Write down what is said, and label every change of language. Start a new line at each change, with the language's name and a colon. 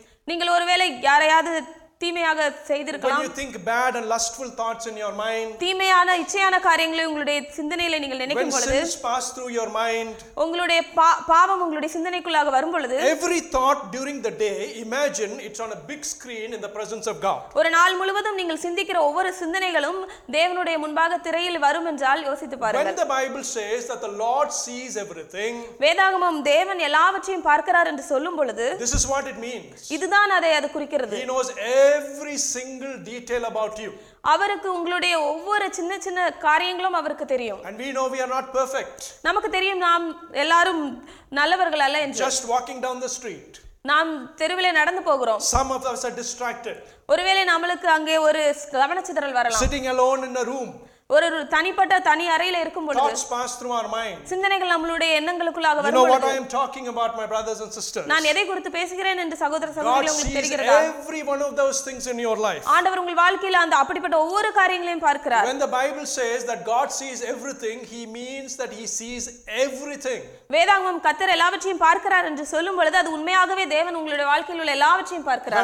Tamil: நீங்கள் ஒருவேளை யாரையாவது தீமையாக செய்திருக்கலாம்.
English: When you think bad and lustful thoughts in your mind.
Tamil: தீமையான இச்சையான காரியங்களை உங்களுடைய சிந்தனையிலே நீங்கள் நினைக்கும் பொழுது.
English: When sins pass through your mind.
Tamil: உங்களுடைய பாவம் உங்களுடைய சிந்தனைக்குள்ளாக வரும் பொழுது.
English: Every thought during the day, imagine it's on a big screen in the presence of God.
Tamil: ஒரு நாள் முழுவதும் நீங்கள் சிந்திக்கிற ஒவ்வொரு சிந்தனைகளும் தேவனுடைய முன்பாக திரையில் வரும் என்றால் யோசித்து பாருங்கள்.
English: When the Bible says that the Lord sees everything.
Tamil: வேதாகமம் தேவன் எல்லாவற்றையும் பார்க்கிறார் என்று சொல்லும் பொழுது.
English: This is what it means.
Tamil: இதுதான் அதை அது குறிக்கிறது.
English: He knows every single detail about you.
Tamil: அவருக்கு உங்களுடைய ஒவ்வொரு சின்ன சின்ன காரியங்களும் அவருக்கு தெரியும்.
English: And we know we are not perfect.
Tamil: நமக்கு தெரியும் நாம் எல்லாரும் நல்லவர்கள் அல்ல என்று.
English: Just walking down the street.
Tamil: நாம் தெருவிலே நடந்து போகிறோம்.
English: Some of us are distracted.
Tamil: ஒருவேளை நமக்கு அங்கே ஒரு கவனச்சிதறல் வரலாம்.
English: Sitting alone in a room.
Tamil: ஒரு தனிப்பட்ட தனி அறையில் இருக்கும் பொழுது சிந்தனைகள் நம்மளுடைய எண்ணங்களுக்குள்ளாக வரும் பொழுது நான் எதை குறித்து பேசுகிறேன் என்று சகோதர சகோதரிகளே உங்களுக்கு தெரிகிறதா?
English: Every one of those things in your life.
Tamil: ஆண்டவர் உங்கள் வாழ்க்கையில அந்த அப்படிப்பட்ட ஒவ்வொரு காரியங்களையும் பார்க்கிறார்.
English: When the Bible says that God sees everything, he means that he sees everything.
Tamil: வேதாகமம் கர்த்தர் எல்லாவற்றையும் பார்க்கிறார் என்று சொல்லும் பொழுது அது உண்மையாகவே தேவன் உங்களுடைய வாழ்க்கையில் உள்ள எல்லாவற்றையும் பார்க்கிறார்.